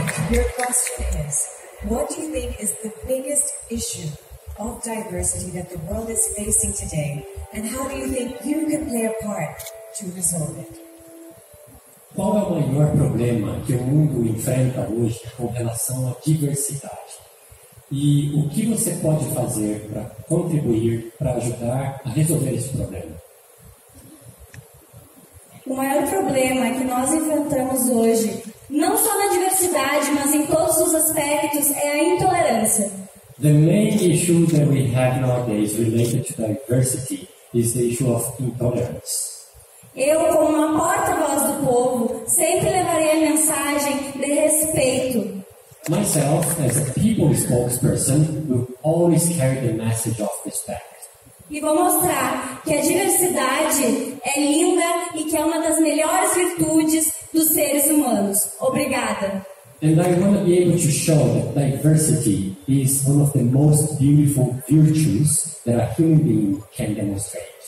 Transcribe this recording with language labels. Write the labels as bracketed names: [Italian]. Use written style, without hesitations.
[English] Your question is, what do you think is the biggest issue of diversity that the world is facing today, and how do you think you can play a part to resolve it? [Portuguese] Qual é o maior problema que o mundo enfrenta hoje com relação à diversidade? E o que você pode fazer para contribuir, para ajudar a resolver esse problema? O maior problema que nós enfrentamos hoje, não só na diversidade, mas em todos os aspectos, é a intolerância. [English] The main issue that we have nowadays related to diversity is the issue of intolerance. [Portuguese] Eu, como uma porta-voz do povo, sempre levarei a mensagem de respeito. [English] Myself, as a people spokesperson, will always carry the message of respect. [Portuguese] E vou mostrar que a diversidade é linda e que é uma das melhores virtudes dos seres humanos. Obrigada. [English] And I want to be able to show that diversity is one of the most beautiful virtues that a human being can demonstrate.